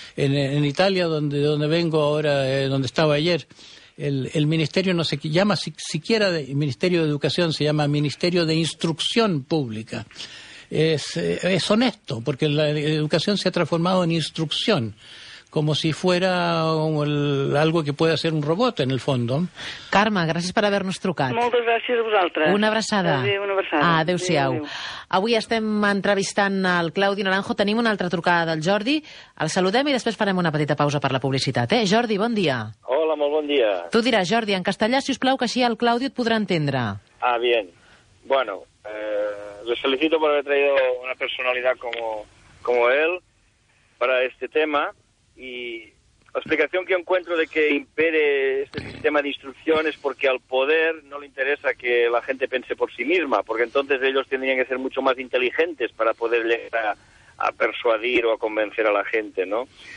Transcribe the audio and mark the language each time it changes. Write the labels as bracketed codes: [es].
[es] En Italia, donde vengo ahora, donde estaba ayer, el ministerio no se llama siquiera de Ministerio de Educación, se llama Ministerio de Instrucción Pública. Es honesto, porque la educación se ha transformado en instrucción, como si fuera algo que puede hacer un robot, en el fondo. [ca] Karma, gràcies per haver-nos trucat. Moltes gràcies a vosaltres. Una abraçada. Adéu. Adéu-siau. Avui estem entrevistant el Claudi Naranjo. Tenim una altra trucada del Jordi. El saludem i després farem una petita pausa per la publicitat. Jordi, bon dia. Hola, molt bon dia. Tu diràs, Jordi, en castellà, si us plau, que així el Claudi et podrà entendre. [es] Ah, bien. Bueno, les felicito por haber traído una personalidad como él para este tema. Y la explicación que encuentro de que impere este sistema de instrucción es porque al poder no le interesa que la gente piense por sí misma, porque entonces ellos tendrían que ser mucho más inteligentes para poder llegar a persuadir o a convencer a la gente, ¿no?